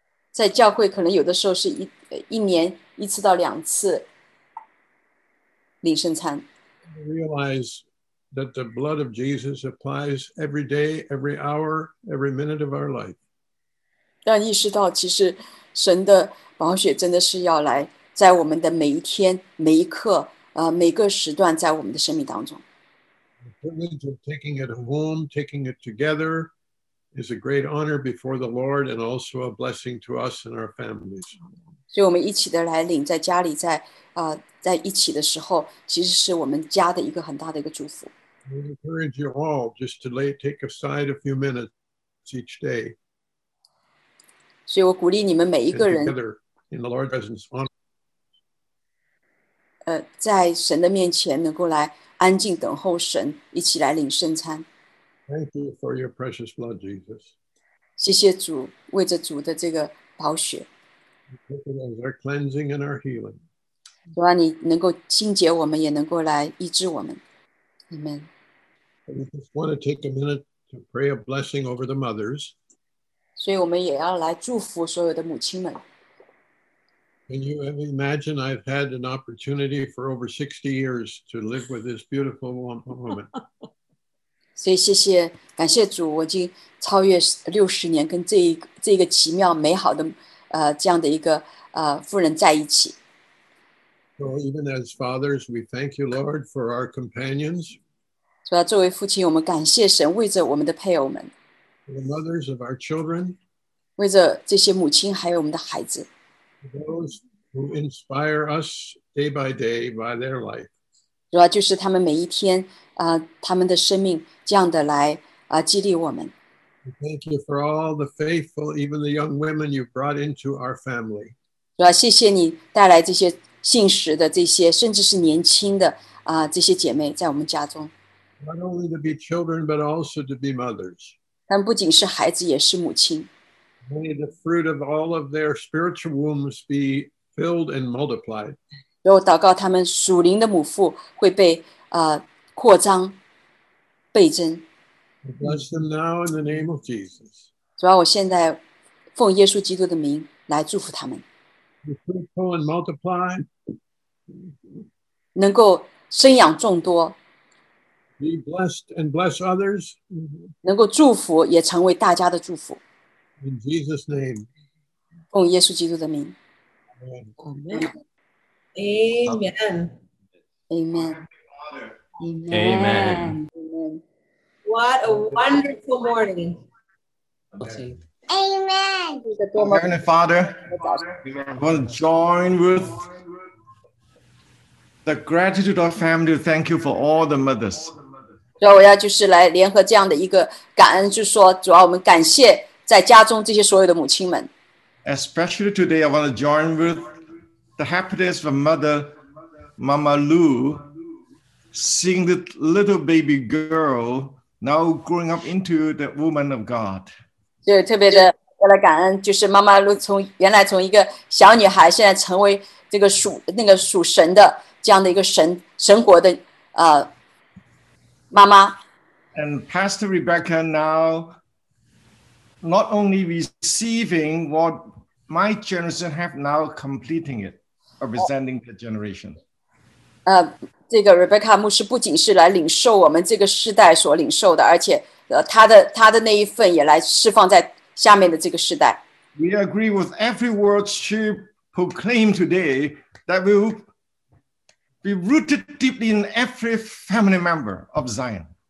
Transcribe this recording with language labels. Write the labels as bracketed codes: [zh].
[zh] 在教会可能有的时候是 一年一次到两次领圣餐。 [en] I realize that the blood of Jesus applies every day, every hour, every minute of our life. [zh] 让意识到其实神的宝血真的是要来在我们的每一天、每一刻、每个时段在我们的生命当中。 [en] The privilege of taking it home, taking it together, is a great honor before the Lord and also a blessing to us and our families. [zh] 所以我们一起的来领，在家里，在在一起的时候，其实是我们家的一个很大的一个祝福。 [en] We encourage you all just to lay take aside a few minutes each day. [zh] 所以我鼓励你们每一个人 [en] together in the Lord's presence. [zh] 在神的面前能够来。安静等候神，一起来领圣餐。 [en] Thank you for your precious blood, Jesus. [zh] 谢谢主，为着主的这个宝血。 [en] Thank you for our cleansing and our healing. [zh] 主啊，你能够清洁我们，也能够来医治我们。 [en] Amen. We just want to take a minute to pray a blessing over the mothers. [zh] 所以我们也要来祝福所有的母亲们。 [en] Can you imagine I've had an opportunity for over 60 years to live with this beautiful woman? [zh] 所以谢谢，感谢主，我已经超越60年跟这个奇妙美好的这样的一个妇人在一起。 [en] So even as fathers, we thank you, Lord, for our companions. [zh] 主要作为父亲，我们感谢神为着我们的配偶们。 [en] The mothers of our children. [zh] 为着这些母亲还有我们的孩子。 [en] Those who inspire us day by day by their life. [zh] 主啊，就是他们每一天，他们的生命这样的来，激励我们。 [en] Thank you for all the faithful, even the young women you've brought into our family. [zh] 主啊，谢谢你带来这些信实的这些，甚至是年轻的，这些姐妹在我们家中。 [en] Not only to be children, but also to be mothers. [zh] 他们不仅是孩子，也是母亲。 [en] May the fruit of all of their spiritual wombs be filled and multiplied. [zh] 我祷告他们属灵的母腹会被扩张倍增。 [en] Bless them now in the name of Jesus. [zh] 主啊，我现在奉耶稣基督的名来祝福他们。 [en] Be fruitful and multiply. [zh] 能够生养众多。 [en] Be blessed and bless others. [zh] 能够祝福也成为大家的祝福。 [en] In Jesus' name. [zh] 奉耶稣基督的名。 [en] Amen. Amen. Amen. Amen. Amen. What a wonderful morning. Amen. Amen. Heavenly Father, I want to join with the gratitude of family. Thank you for all the mothers. [zh] 主要我要就是来联合这样的一个感恩，就说主要我们感谢。在家中这些所有的母亲们 [en] Especially today, I want to join with the happiness of mother, Mama Lou, seeing the little baby girl now growing up into the woman of God. [zh] 就特别的要来感恩，就是妈妈露从原来从一个小女孩，现在成为这个属神的这样的一个神国的妈妈。 [en] And Pastor Rebecca now. Not only receiving what my generation have now completing it, representing the generation. [zh] 这个 Rebecca 牧师不仅是来领受我们这个世代所领受的，而且他的那一份也来释放在下面的这个世代。 [en] We agree with every word she proclaimed today that will be rooted deeply in every family member of Zion.